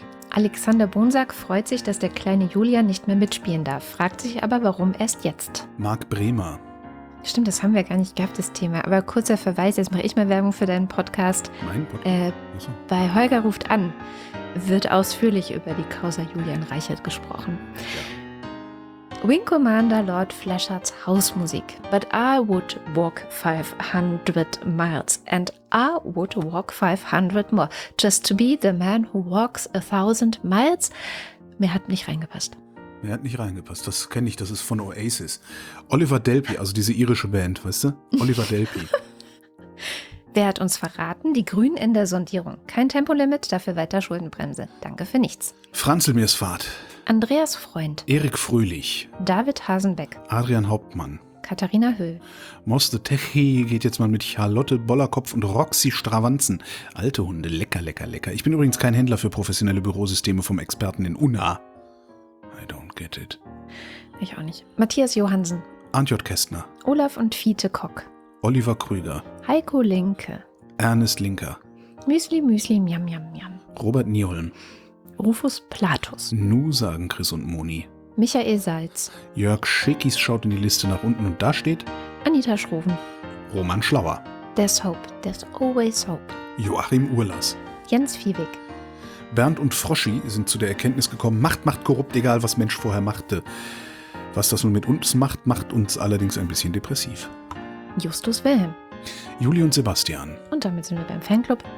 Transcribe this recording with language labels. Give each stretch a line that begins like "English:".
German: Alexander Bonsack freut sich, dass der kleine Julian nicht mehr mitspielen darf, fragt sich aber, warum erst jetzt. Marc Bremer. Stimmt, das haben wir gar nicht gehabt, das Thema. Aber kurzer Verweis, jetzt mache ich mal Werbung für deinen Podcast. Mein Podcast? Also. Bei Holger ruft an, wird ausführlich über die Causa Julian Reichert gesprochen. Ja. Wing Commander Lord Fleshards Hausmusik.
English: But I would walk 500 miles and I would walk 500 more just to be the man who walks 1000 miles.
German: Mir hat nicht reingepasst. Er hat nicht reingepasst, das kenne ich, das ist von Oasis. Oliver Delpy, also diese irische Band, weißt du? Oliver Delpy. Wer hat uns verraten? Die Grünen in der Sondierung. Kein Tempolimit, dafür weiter Schuldenbremse. Danke für nichts. Franzl Mirsfahrt. Andreas Freund. Erik Fröhlich. David Hasenbeck. Adrian Hauptmann. Katharina Höhl. Moste Techi geht jetzt mal mit Charlotte Bollerkopf und Roxy Stravanzen. Alte Hunde, lecker, lecker, lecker. Ich bin übrigens kein Händler für professionelle Bürosysteme vom Experten in Unna.
English: I don't get it.
German: Ich auch nicht. Matthias Johansen. Antjot Kästner. Olaf und Fiete Kock. Oliver Krüger. Heiko Linke. Ernest Linker. Müsli, Müsli, Miam, Miam, Miam. Robert Nieholm. Rufus Platus. Nu sagen Chris und Moni. Michael Salz. Jörg Schickis schaut in die Liste nach unten und da steht Anita Schroven. Roman Schlauer.
English: There's hope, there's always hope.
German: Joachim Urlas. Jens Fiebig. Bernd und Froschi sind zu der Erkenntnis gekommen, Macht macht korrupt, egal was Mensch vorher machte. Was das nun mit uns macht, macht uns allerdings ein bisschen depressiv. Justus Wilhelm. Juli und Sebastian. Und damit sind wir beim Fanclub.